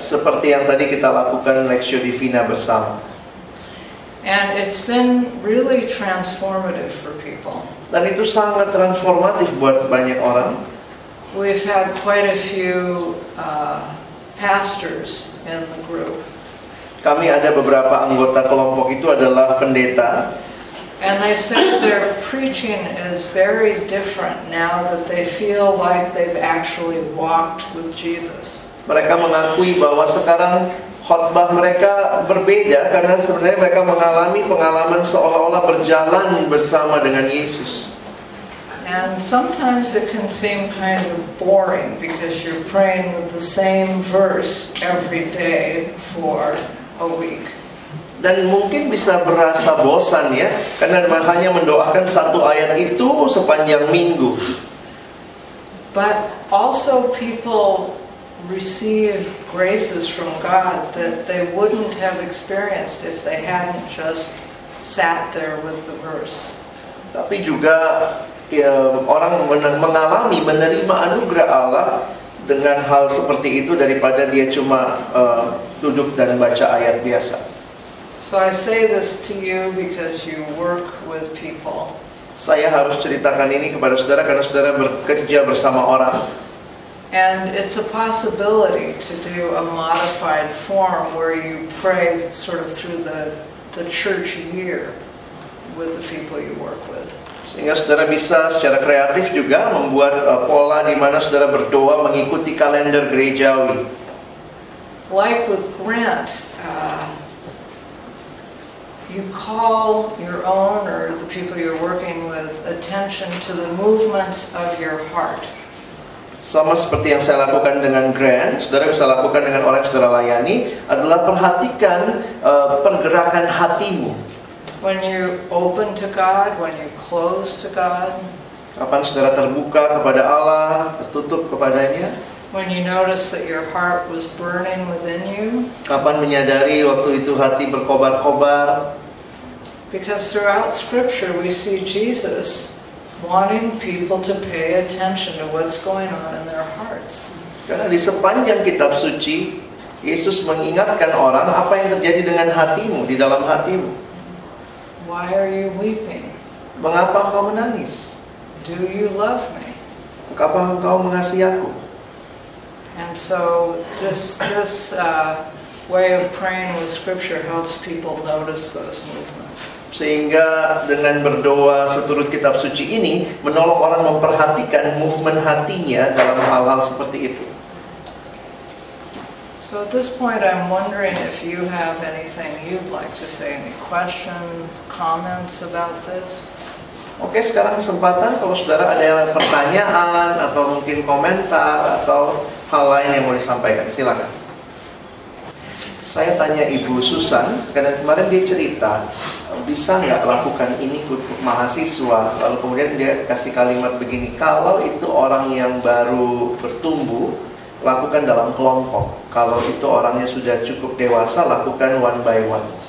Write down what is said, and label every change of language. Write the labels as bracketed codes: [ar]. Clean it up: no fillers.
[id] Seperti yang tadi kita lakukan Lectio Divina bersama. [en] And it's been really transformative for people. [id] Dan itu sangat transformatif buat banyak orang. [en] We've had quite a few pastors in the group. [id] Kami ada beberapa anggota kelompok itu adalah pendeta. [en] And they said their preaching is very different now that they feel like they've actually walked with Jesus. [id] Mereka mengakui bahwa sekarang khotbah mereka berbeda karena sebenarnya mereka mengalami pengalaman seolah-olah berjalan bersama dengan Yesus. [en] And sometimes it can seem kind of boring because you're praying with the same verse every day for a week. [id] Dan mungkin bisa berasa bosan ya, karena hanya mendoakan satu ayat itu sepanjang minggu. [en] But also people receive graces from God that they wouldn't have experienced if they hadn't just sat there with the verse. [id] Tapi juga ya, orang mengalami menerima anugerah Allah dengan hal seperti itu daripada dia cuma duduk dan baca ayat biasa. [en] So I say this to you because you work with people. [id] Saya harus ceritakan ini kepada saudara karena saudara bekerja bersama orang. [en] And it's a possibility to do a modified form where you pray sort of through the church year with the people you work with. [id] Sehingga saudara bisa secara kreatif juga membuat pola di mana saudara berdoa mengikuti kalender gerejawi. [en] Like with Grant, you call your own or the people you're working with attention to the movements of your heart. [id] Sama seperti yang saya lakukan dengan Grant, saudara bisa lakukan dengan orang yang saudara layani adalah perhatikan pergerakan hatimu. [en] When you open to God, when you close to God. [id] Kapan saudara terbuka kepada Allah, tertutup kepadanya? [en] When you notice that your heart was burning within you. [id] Kapan menyadari waktu itu hati berkobar-kobar? [en] Because throughout Scripture we see Jesus wanting people to pay attention to what's going on in their hearts. [id] Karena di sepanjang kitab suci, Yesus mengingatkan orang apa yang terjadi dengan hatimu, di dalam hatimu. [en] Why are you weeping? [id] Mengapa engkau menangis? [en] Do you love me? [id] Mengapa engkau mengasihi aku? [en] And so this way of praying with Scripture helps people notice those movements. [id] Sehingga dengan berdoa seturut kitab suci ini menolong orang memperhatikan movement hatinya dalam hal-hal seperti itu. [en] So at this point I'm wondering if you have anything you'd like to say, any questions, comments about this? [id] Oke, sekarang kesempatan kalau saudara ada pertanyaan atau mungkin komentar atau hal lain yang mau disampaikan, silakan. Saya tanya Ibu Susan, karena kemarin dia cerita bisa nggak lakukan ini untuk mahasiswa, lalu kemudian dia kasih kalimat begini, kalau itu orang yang baru bertumbuh lakukan dalam kelompok, kalau itu orangnya sudah cukup dewasa lakukan [en] one by one.